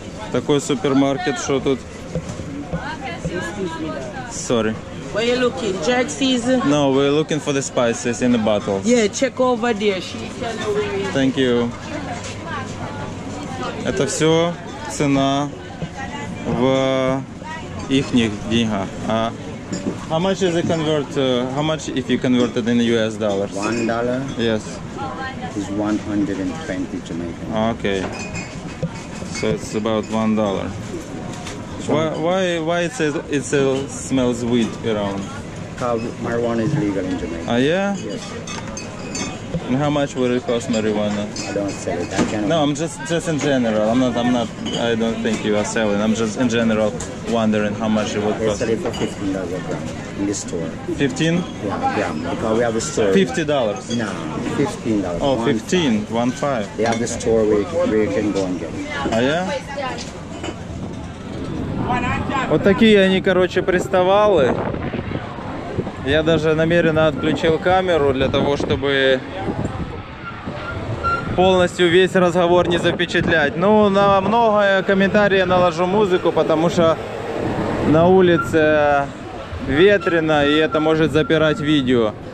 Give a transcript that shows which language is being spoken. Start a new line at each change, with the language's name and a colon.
Russian: Такой супермаркет, что тут?
English: Sorry. Where you looking? Jerk season? No, we're looking for the spices in the bottles. Yeah, check over there. She tell you. Thank you.
Russian: Это все цена в ихних деньгах.
English: How much is it convert? How much if you convert it in US dollars? $1? Yes. Is 120 Jamaican. Okay. So it's about $1. Why it smells weed around? Because marijuana is legal in Jamaica. Yeah? Yes. And how much would it cost marijuana? I don't sell it. I cannot. No, I'm just in general. I'm not. I don't think you are selling. I'm just in general wondering how much it would cost. I sell it for $15 a gram in the store. 15? Yeah, because we have a store. $50. No, $15. Oh, 15, $1.5. They have the store where you can go and get it. Oh yeah.
Russian: Вот такие они, короче, приставалы. Я даже намеренно отключил камеру для того, чтобы полностью весь разговор не запечатлять. Ну, на многое комментарии я наложу музыку, потому что на улице ветрено, и это может запирать видео.